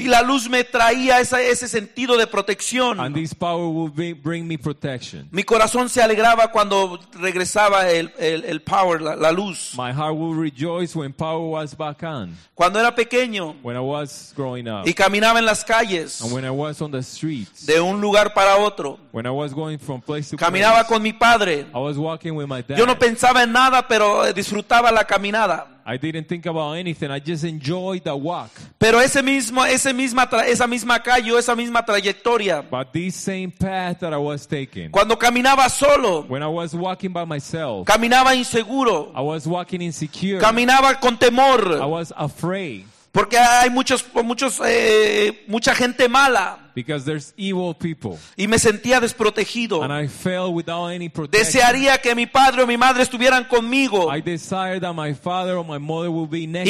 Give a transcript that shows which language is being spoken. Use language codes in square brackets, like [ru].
[es] Y la luz me traía ese sentido de protección. alma. [en] And this power will bring me protection. [es] Mi corazón se alegraba cuando regresaba el power, la luz. [en] My heart will rejoice when power was back on. [es] Cuando era pequeño. [en] When I was growing up. [es] Y caminaba en las calles. [en] And when I was on the streets. [es] De un lugar para otro. [en] When I was going from place to [es] caminaba [en] place. [es] Con mi padre. [en] I was walking with my dad. [es] Yo no pensaba en nada, pero disfrutaba la caminada. [en] I didn't think about anything. I just enjoyed the walk. [es] Pero esa misma calle o esa misma trayectoria. [en] But this same path that I was taking. [es] Cuando caminaba solo. [en] When I was walking by myself. [es] Caminaba inseguro. [en] I was walking insecure. [es] Caminaba con temor. [en] I was afraid. [es] Porque hay mucha gente mala. [en] Because there's evil people. [es] Y me sentía desprotegido. [en] And I felt without any protection. [es] Desearía que mi padre o mi madre estuvieran conmigo. [en] I desired that my father or my mother would be next.